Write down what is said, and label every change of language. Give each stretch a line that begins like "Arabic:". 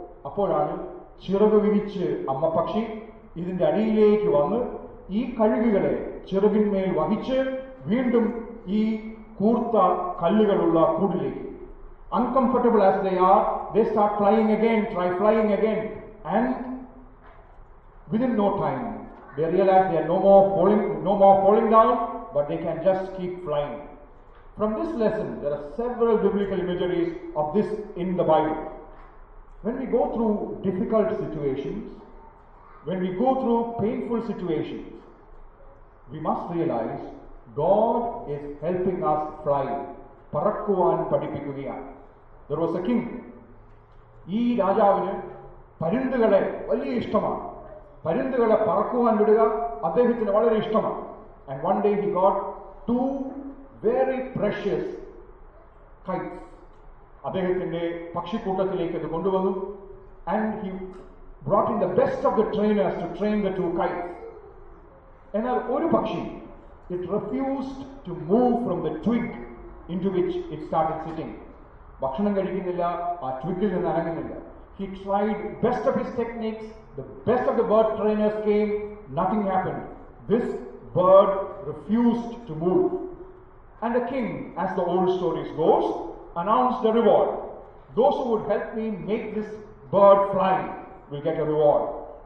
Malayalam: അപ്പോഴാണ് ചിറക് വിരിച്ച് അമ്മ പക്ഷി ഇതിന്റെ അടിയിലേക്ക് വന്ന് ഈ കഴുകുകളെ ചിറകിന്മേൽ വഹിച്ച് വീണ്ടും ഈ കൂർത്ത കല്ലുകളുള്ള കൂടിലേക്ക്.
English: Uncomfortable as they are, they start flying again, try flying again, and within no time they realize they are no more falling down, but they can just keep flying. From this lesson, there are several biblical imageries of this in the Bible. When we go through difficult situations, when we go through painful situations, we must realize God is helping us fly.
Malayalam: പറക്കുവാൻ പഠിപ്പിക്കുകയാണ്.
English: There was a king.
Malayalam: ഈ രാജാവിന് പരുന്തുകളെ വലിയ ഇഷ്ടമാണ്. പരുന്തുകളെ പറക്കുവാൻ വിടുക അദ്ദേഹത്തിന് വളരെ ഇഷ്ടമാണ്.
English: And one day he got two very precious kites.
Malayalam: അദ്ദേഹത്തിന്റെ പക്ഷിക്കൂട്ടത്തിലേക്ക് അത് കൊണ്ടുവന്നു.
English: And he brought in the best of the trainers to train the two kites.
Malayalam: എന്നാൽ ഒരു പക്ഷി,
English: it refused to move from the twig into which it started sitting.
Malayalam: ഭക്ഷണം കഴിക്കുന്നില്ല, ആ ട്വിഗിൽ നിന്ന് ഇറങ്ങുന്നില്ല.
English: He tried best of his techniques, the best of the bird trainers came, nothing happened. This bird refused to move. And the king, as the old stories goes, announced the reward. Those who would help me make this bird fly will get a reward.